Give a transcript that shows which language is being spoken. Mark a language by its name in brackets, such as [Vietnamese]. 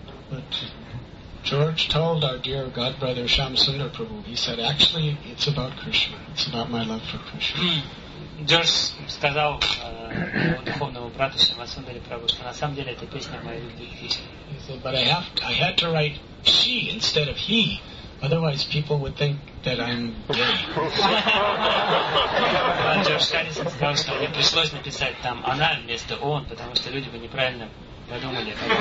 [English] But George told our dear god brother Shamsundar Prabhu, he said, actually it's about Krishna, it's about my love for Krishna. [Russian] Джордж сказал духовному брату Шамасундаре Прабху, что на самом деле эта песня моя любви к Кришне. [English] He said, but I had to write she instead of he, otherwise people would think that I'm gay. [Russian] Джордж Харрисон сказал, что мне пришлось написать там она вместо он, потому что люди бы неправильно подумали.